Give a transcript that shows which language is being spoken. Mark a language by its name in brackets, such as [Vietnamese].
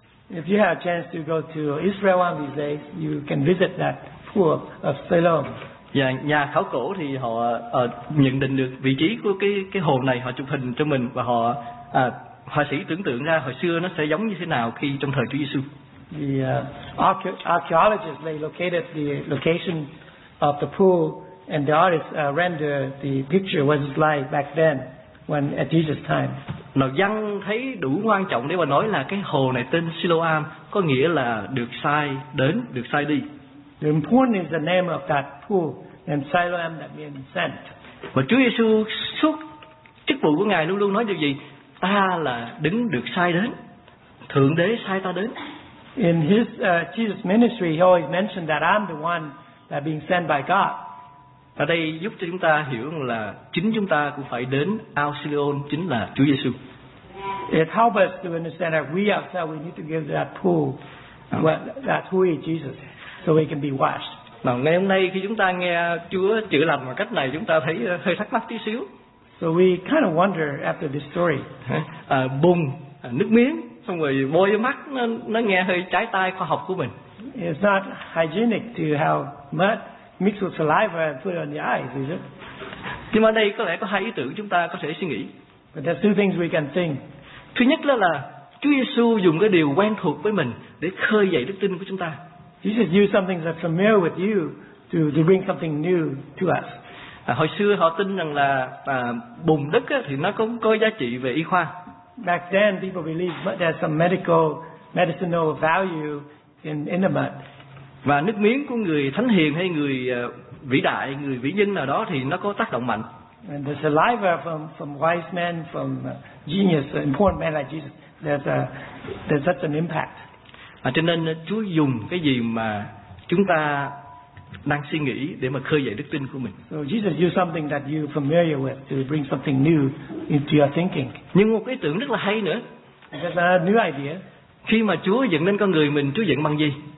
[English] If you have a chance to go to Israel one of these days, you can visit that pool of Siloam. [Vietnamese] Và nhà khảo cổ thì họ nhận định được vị trí của cái hồ này, họ chụp hình cho mình và họ họa sĩ tưởng tượng ra hồi xưa nó sẽ giống như thế nào khi trong thời Chúa Giêsu. [English] The archaeologists they located the location of the pool and the artists rendered the picture what it's like back then when at Jesus' time. [Vietnamese] Nó dân thấy đủ quan trọng để mà nói là cái hồ này tên Siloam có nghĩa là được sai đến, được sai đi. [English] The important is the name of that pool and Siloam that means sent. [Vietnamese] Và Chúa Giêsu suốt chức vụ của Ngài luôn luôn nói điều gì? Ta là đứng được sai đến. Thượng đế sai ta đến. [English] In his Jesus ministry he always mentioned that I'm the one that being sent by God. [Vietnamese] Ở đây giúp cho chúng ta hiểu là chính chúng ta cũng phải đến ao Siloam, chính là Chúa Giêsu. [English] It helps us to understand that we ourselves we need to give that pool, that who is Jesus, so we can be washed. [Vietnamese] Nào ngày hôm nay khi chúng ta nghe Chúa chữa lành bằng cách này, chúng ta thấy hơi thắc mắc tí xíu. [English] So we kind of wonder after this story. [Vietnamese] Bùng nước miếng, xong rồi bôi vô mắt, nó nghe hơi trái tai khoa học của mình. [English] It's not hygienic to have mud mixed with saliva and put it on the eyes, is it? [Vietnamese] Nhưng mà đây có lẽ có hai ý tưởng chúng ta có thể suy nghĩ. [English] But there's two things we can think. [Vietnamese] Thứ nhất là Chúa Giêsu dùng cái điều quen thuộc với mình để khơi dậy đức tin của chúng ta. [English] Jesus used something that's familiar with you to bring something new to us. [Vietnamese] Hồi xưa họ tin rằng là bùn đất thì nó cũng có giá trị về y khoa. [English] Back then, people believed there's some medicinal value in the mud. [Vietnamese] Và nước miếng của người thánh hiền hay người vĩ đại, người vĩ nhân nào đó thì nó có tác động mạnh. [English] And the saliva from wise men, from genius, important men like Jesus, there's such an impact. [Vietnamese] Cho nên Chúa dùng cái gì mà chúng ta đang suy nghĩ để mà khơi dậy đức tin của mình. [English] So Jesus used something that you're familiar with to bring something new into your thinking. [Vietnamese] Nhưng một ý tưởng rất là hay nữa. [English] There's a new idea. [Vietnamese] Khi mà Chúa dựng nên con người mình, Chúa dựng bằng gì?